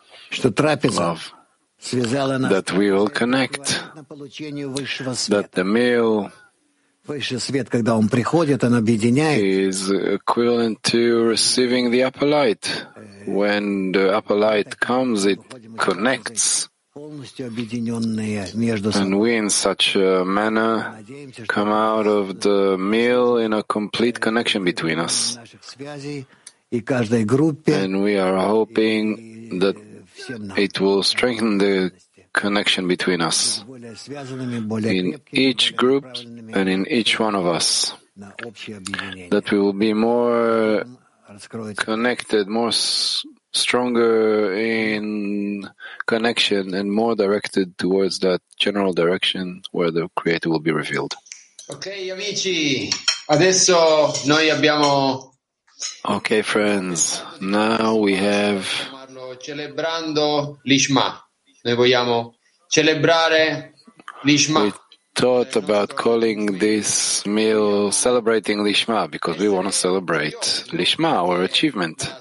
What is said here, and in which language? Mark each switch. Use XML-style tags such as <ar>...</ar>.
<ru>Что трапеза связала нас.</ru> <en>That we will connect. That the meal.</en> <ru>Высший свет, когда он приходит, он объединяет.</ru> <en>Is equivalent to receiving the upper light. When the upper light comes, it connects.</en> <ru>Полностью объединенные между собой.</ru> <en>And we in such a manner come out of the meal in a complete connection between us. And we are hoping that it will strengthen the connection between us in each group and in each one of us, that we will be more connected, more stronger in connection and more directed towards that general direction where the Creator will be revealed.</en> <it>Okay, amici. Adesso noi abbiamo.</it> <en>Okay, friends. Now we have.</en> <it>Celebrando l'Ishma. Noi vogliamo celebrare l'Ishma.</it> <en>We thought about calling this meal celebrating l'Ishma because we want to celebrate l'Ishma, our achievement.</en>